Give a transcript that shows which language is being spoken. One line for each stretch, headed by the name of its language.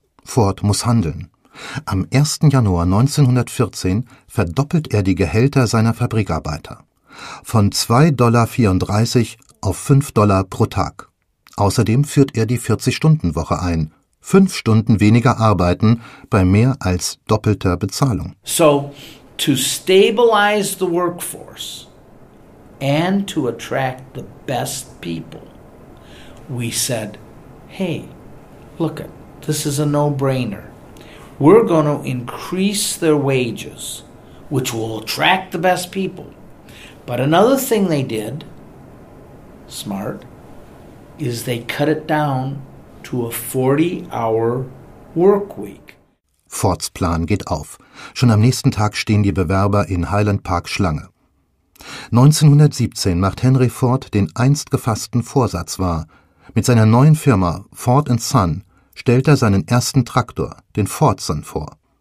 German: Ford muss handeln. Am 1. Januar 1914 verdoppelt er die Gehälter seiner Fabrikarbeiter. Von $2.34 auf $5 pro Tag. Außerdem führt er die 40-Stunden-Woche ein. 5 Stunden weniger arbeiten bei mehr als doppelter Bezahlung.
English: So, to stabilize the workforce and to attract the best people, we said, hey, look, this is a no-brainer. We're going to increase their wages, which will attract the best people. But another thing they did, smart, is they cut it down to a 40-hour work week.
German: Fords Plan geht auf. Schon am nächsten Tag stehen die Bewerber in Highland Park Schlange. 1917 macht Henry Ford den einst gefassten Vorsatz wahr. Mit seiner neuen Firma Ford & Son stellt er seinen ersten Traktor, den Fordson, vor.